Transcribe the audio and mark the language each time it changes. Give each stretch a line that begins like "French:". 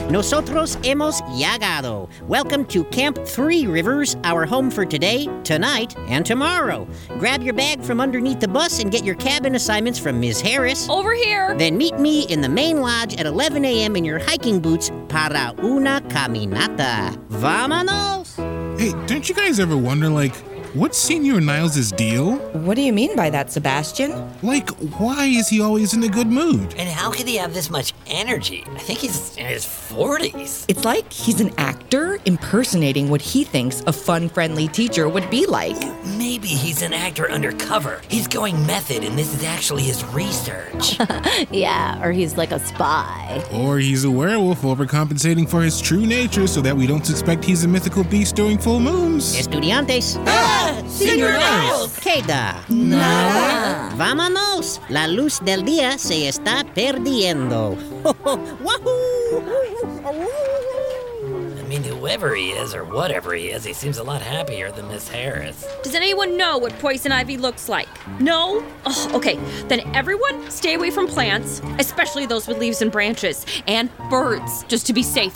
Spanish: Nosotros hemos llegado.
English: Welcome to Camp Three Rivers, our home for today, tonight, and tomorrow. Grab your bag from underneath the bus and get your cabin assignments from Ms. Harris. Over here! Then meet me in the main lodge at 11 a.m. in your hiking boots
Spanish: para una caminata. Vámonos!
English: Hey, don't you guys ever wonder, like, What's Senior Niles' deal? What do you mean by that, Sebastian? Like, why is he always in a good mood? And how could he have this much energy? I think he's in his 40s. It's like he's an actor impersonating what he thinks a fun, friendly teacher would be like. Maybe he's an actor undercover. He's going method and this is actually his research. Yeah, or he's like a spy. Or he's a werewolf overcompensating for his true nature so that we don't suspect he's a mythical beast during full moons.
Spanish: Estudiantes. Señor Niles! Queda. Nada. Vámonos. La luz del día se está perdiendo. Wahoo!
English: I mean, whoever he is or whatever he seems a lot happier than Miss Harris. Does anyone know what poison ivy looks like? No? Oh, okay, then everyone stay away from plants, especially those with leaves and branches, and birds, just to be safe.